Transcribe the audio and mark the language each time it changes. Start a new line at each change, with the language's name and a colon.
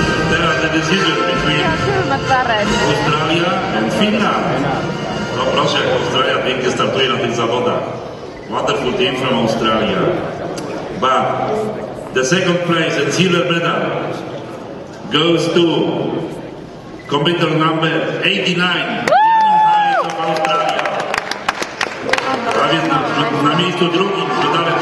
English: teraz the decision between Australia and Finland.
Polish: No proszę, jak Australia pięknie startuje na tych zawodach.
English: Wonderful team from Australia. But the second place, the silver medal, goes to competitor number 89, Jan Hajek of Australia.
Polish: Prawie na miejscu drugim, z medalem